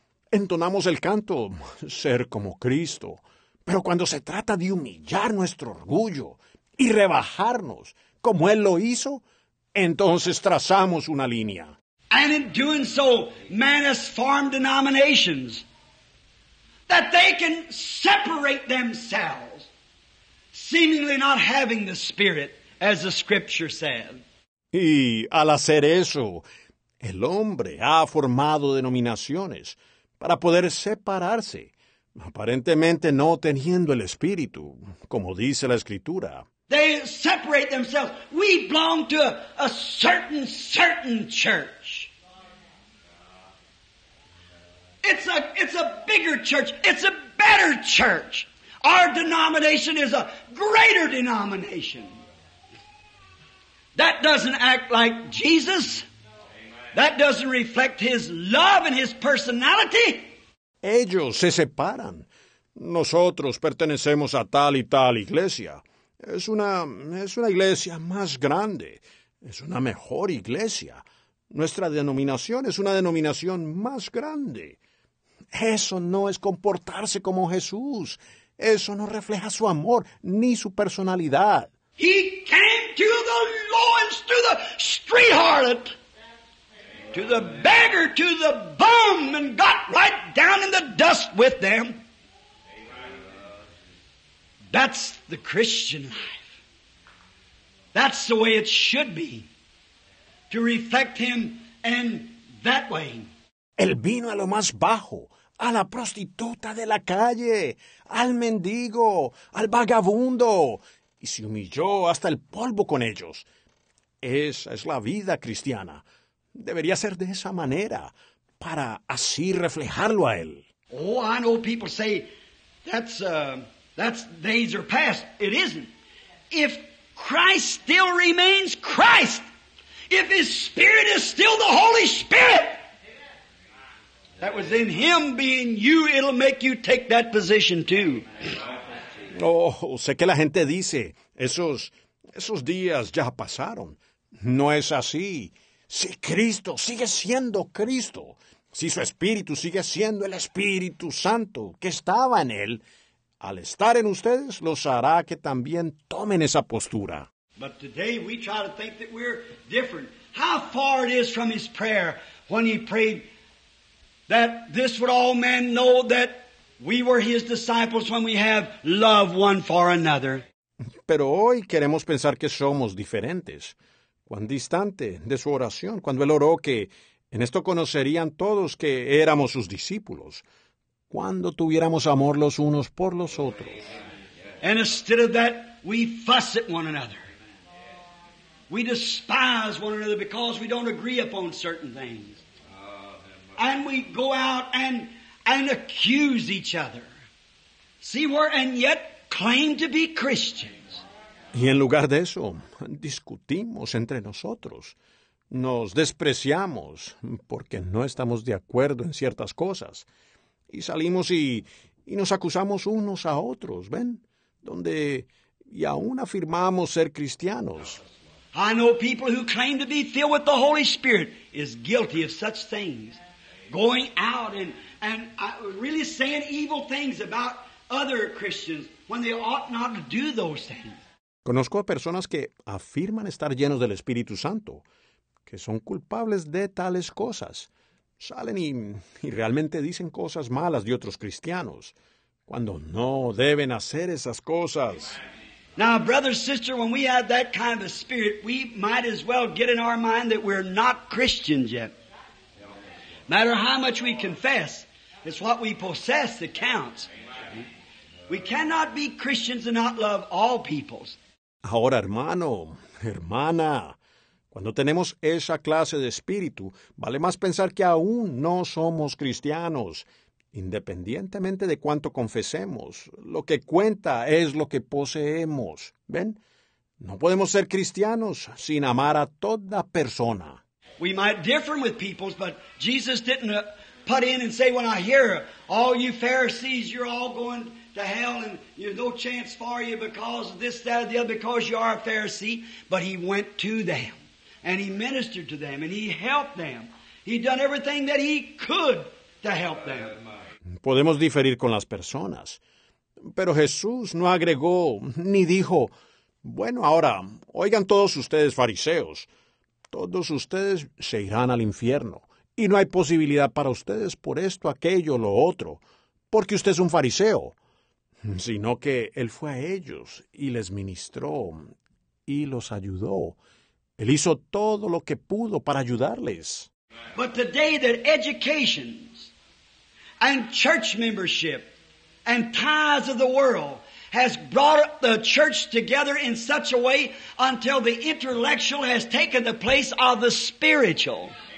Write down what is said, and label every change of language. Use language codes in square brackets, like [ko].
[es] Entonamos el canto, ser como Cristo. Pero cuando se trata de humillar nuestro orgullo y rebajarnos como él lo hizo, entonces trazamos una línea. [en] And in doing so, man has formed denominations that they can separate themselves, seemingly not having the Spirit, as the Scripture said. [es] Y al hacer eso, el hombre ha formado denominaciones para poder separarse, aparentemente no teniendo el Espíritu, como dice la Escritura. [en] They separate themselves. We belong to a certain church. It's a bigger church. It's a better church. Our denomination is a greater denomination. That doesn't act like Jesus. That doesn't reflect His love and His personality. [es] Ellos se separan. Nosotros pertenecemos a tal y tal iglesia. Es una iglesia más grande. Es una mejor iglesia. Nuestra denominación es una denominación más grande. Eso no es comportarse como Jesús. Eso no refleja su amor ni su personalidad. [en] He came to the lowest, to the street harlot, to the beggar, to the bum, and got right down in the dust with them. That's the Christian life. That's the way it should be, to reflect Him in that way. [es] Él vino a lo más bajo, a la prostituta de la calle, al mendigo, al vagabundo, y se humilló hasta el polvo con ellos. Esa es la vida cristiana. Debería ser de esa manera, para así reflejarlo a Él. [en] Oh, I know people say, that's days are past. It isn't. If Christ still remains Christ, if His Spirit is still the Holy Spirit that was in Him being you, it'll make you take that position too. [es] Oh, sé que la gente dice, esos días ya pasaron. No es así. Si Cristo sigue siendo Cristo, si su Espíritu sigue siendo el Espíritu Santo que estaba en Él, al estar en ustedes, los hará que también tomen esa postura. [en] But today we try to think that we're different. How far it is from His prayer when He prayed that this would all men know that we were His disciples when we have love one for another. [es] Pero hoy queremos pensar que somos diferentes. Cuán distante de su oración, cuando Él oró que en esto conocerían todos que éramos sus discípulos. Cuando tuviéramos amor los unos por los otros. [en] And instead of that, we fuss at one another. We despise one another because we don't agree upon certain things. And we go out and accuse each other. See, we're and yet claim to be Christians. [es] Y en lugar de eso, discutimos entre nosotros. Nos despreciamos porque no estamos de acuerdo en ciertas cosas. Y salimos y nos acusamos unos a otros, ¿ven? Donde, y aún afirmamos ser cristianos. [en] I know people who claim to be filled with the Holy Spirit is guilty of such things. Going out and really saying evil things about other Christians when they ought not to do those things. [es] Conozco a personas que afirman estar llenos del Espíritu Santo, que son culpables de tales cosas. Salen y realmente dicen cosas malas de otros cristianos, cuando no deben hacer esas cosas. [en] Now, brother, sister, when we have that kind of a spirit, we might as well get in our mind that we're not Christians yet. Matter how much we confess, it's what we possess that counts. We cannot be Christians and not love all peoples. [es] Ahora, hermano, hermana, cuando tenemos esa clase de espíritu, vale más pensar que aún no somos cristianos. Independientemente de cuánto confesemos, lo que cuenta es lo que poseemos. ¿Ven? No podemos ser cristianos sin amar a toda persona. [en] We might differ with peoples, but Jesus didn't put in and say, when I hear all you Pharisees, you're all going to hell and there's no chance for you because of this, that, or the other, because you are a Pharisee. But He went to them. And He ministered to them, and He helped them. He done everything that He could to help them. [es] Podemos diferir con las personas, pero Jesús no agregó ni dijo, bueno, ahora, oigan todos ustedes fariseos, todos ustedes se irán al infierno, y no hay posibilidad para ustedes por esto, aquello, lo otro, porque usted es un fariseo, sino que Él fue a ellos y les ministró y los ayudó. Él hizo todo lo que pudo para ayudarles. [en] But the day that educations and church membership and ties of the world has brought the church together in such a way until the intellectual has taken the place of the spiritual.